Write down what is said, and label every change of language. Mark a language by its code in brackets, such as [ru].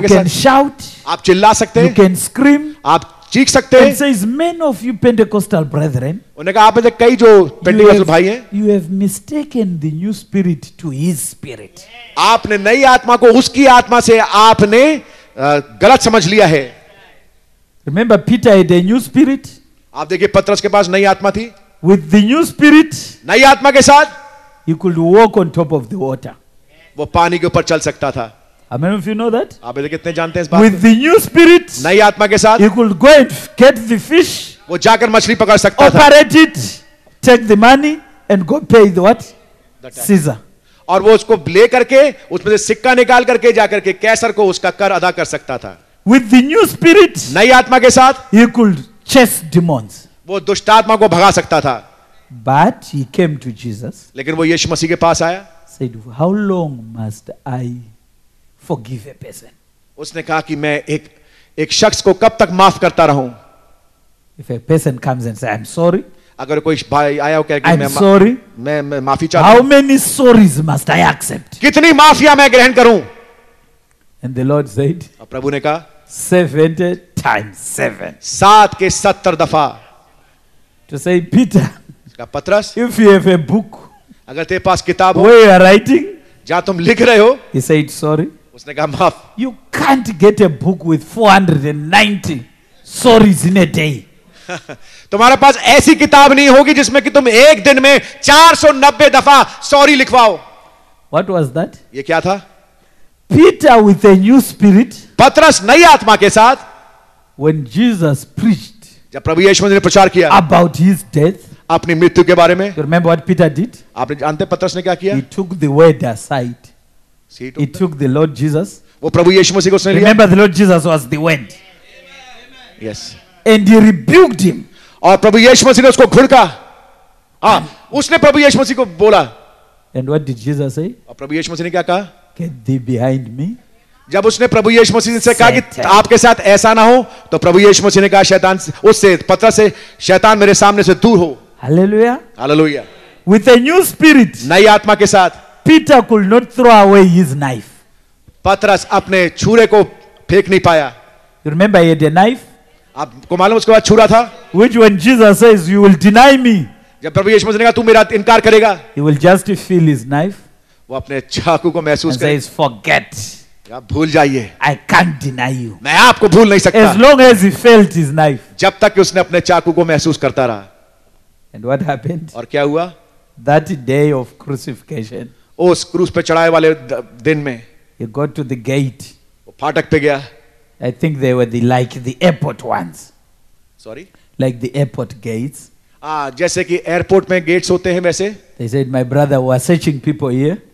[hi] के साथ, [en] you can shout, [hi] आप चिल्ला सकते हैं, [en] you can scream, [hi] आप चीख सकते हैं. [en] And says, many of you Pentecostal brethren, [hi] उन्हें कहा आप जैसे कई जो पेंटेकोस्टल भाई हैं, [en] you have mistaken the new spirit to his spirit. [hi] आपने नई आत्मा को उसकी आत्मा से आपने गलत समझ लिया है. [en] Remember, Peter had a new spirit. [hi] आप देखिए पत्रस के पास नई आत्मा थी. [en] With the new spirit, [hi] नई आत्मा के साथ, [en] he could walk on top of the water. [hi] वो पानी के ऊपर चल सकता था. [en] How many of you know that? [hi] आप इधर कितने जानते हैं इस बात? [en] With the new spirit, [hi] नई आत्मा के साथ, [en] he could go and get the fish. [hi] वो जाकर मछली पकड़ सकता था. [en] Operate it, take the money and go pay the what? Caesar. [hi] और वो उसको ले करके उसमें से सिक्का निकाल करके जाकर के कैसर को उसका कर अदा कर सकता था. [en] With the new spirit, [hi] नई आत्मा के साथ, [en] he could chase demons. [hi] वो दुष्टात्मा को भगा सकता था. [en] But he came to Jesus. [hi] लेकिन वो यीशु मसीह के पास आया. [en] Said, how long must I forgive a person? [hi] उसने कहा कि मैं एक शख्स को कब तक माफ करता रहूं? [en] If a person comes and says, I'm sorry. [hi] अगर कोई भाई आया हो कह के मैं माफी चाहता हूं. [en] How many sorries must I accept? [hi] कितनी माफियां मैं ग्रहण करूं? [en] And the Lord said, [hi] प्रभु ने कहा, [en] 70 times 7. 7 times 70 [hi] दफा. [en] To say, Peter, [hi] इसका पत्रस, [en] if you have a book, [hi] अगर तेरे पास किताब हो, [en] you are writing, [hi] जहाँ तुम लिख रहे हो, [en] he said, sorry, [hi] उसने कहा माफ, [en] you can't get a book with 490 sorries in a day. [hi] तुम्हारे पास ऐसी किताब नहीं होगी जिसमें कि तुम एक दिन में 490 दफा सॉरी लिखवाओ. [en] What was that? [hi] ये क्या था? [en] Peter with a new spirit, [hi] पत्रस नई आत्मा के साथ, [en] when Jesus preached. [hi] जब प्रभु यीशु ने प्रचार किया [en] about his death, [hi] अपनी मृत्यु के बारे में. [en] You remember what Peter did? [hi] आपने जानते पत्रस ने क्या किया? [en] He took the word aside. He took the Lord Jesus. [hi] वो प्रभु यीशु मसीह को उसने लिया. [en] Remember, the Lord Jesus was the word. Amen. Yes. And he rebuked him. [hi] और प्रभु यीशु मसीह ने उसको घुड़का. उसने प्रभु यीशु मसीह को बोला. [en] And what did Jesus say? [hi] और प्रभु यीशु मसीह ने क्या कहा? [en] Get thee behind me. [hi] जब उसने प्रभु यीशु मसीह से कहा कि आपके साथ ऐसा ना हो, तो प्रभु यीशु मसीह ने कहा शैतान से, उससे पत्र से, शैतान मेरे सामने से दूर हो. Hallelujah, hallelujah. [en] With a new spirit, [hi] नई आत्मा के साथ, [en] Peter could not throw away his knife. [hi] पतरस अपने छुरे को फेंक नहीं पाया. [en] You remember he had a knife? [hi] आपको मालूम उसके बाद छुरा था? [en] Which when Jesus says you will deny me. [hi] जब प्रभु यीशु मसीह ने कहा तू मेरा इनकार करेगा. [en] He will just feel his knife. [hi] वो अपने चाकू को महसूस करेगा. [en] Says forget. [hi] भूल जाइए. [en] I can't deny you. [hi] मैं आपको भूल नहीं सकता. [en] As long as he felt his knife. [hi] जब तक उसने अपने चाकू को महसूस करता रहा. [en] And what happened? [hi] और क्या हुआ? [en] That day of crucifixion. [hi] उस क्रूस पे चढ़ाए वाले दिन में. [en] He got to the gate. [hi] वो फाटक पे गया. [en] I think they were like the airport ones. Sorry? Like the airport gates. [hi] जैसे कि एयरपोर्ट में गेट्स होते हैं वैसे. [en] They said my brother was searching people here.